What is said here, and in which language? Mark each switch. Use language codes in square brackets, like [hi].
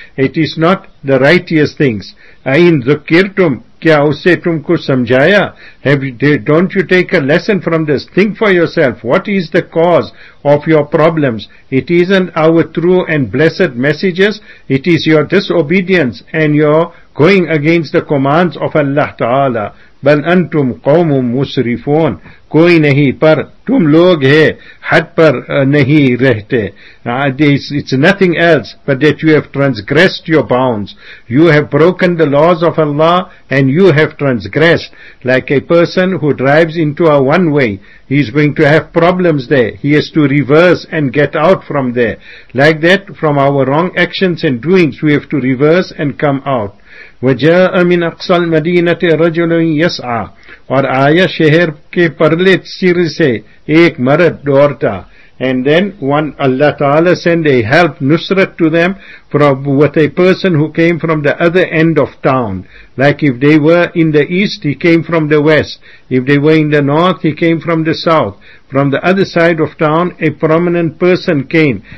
[en] It is not the righteous things. [ar] Ain zukirtum, [ur] kya usse tumko samjaya? [en] Don't you take a lesson from this? Think for yourself, what is the cause of your problems? It isn't our true and blessed messages, it is your disobedience and your going against the commands of Allah Ta'ala. [ar] بَلْ أَنْتُمْ قَوْمٌ مُسْرِفُونَ [ur] کوئی نہیں پر تم لوگ ہے حد پر نہیں رہتے. [en] It's nothing else but that you have transgressed your bounds. You have broken the laws of Allah and you have transgressed. Like a person who drives into a one way, he is going to have problems there. He has to reverse and get out from there. Like that, from our wrong actions and doings, we have to reverse and come out. [ar] وَجَاءَ مِنْ أَقْصَى الْمَدِينَةِ رَجُلٌ يَسْعَى. [ur] اور آیا شہر کے پرلے سر سے ایک مرد دوڑتا. [en] And then one, Allah Ta'ala send a help, nusrat to them from with a person who came from the other end of town. Like if they were in the east, he came from the west. If they were in the north, he came from the south. From the other side of town, a prominent person came.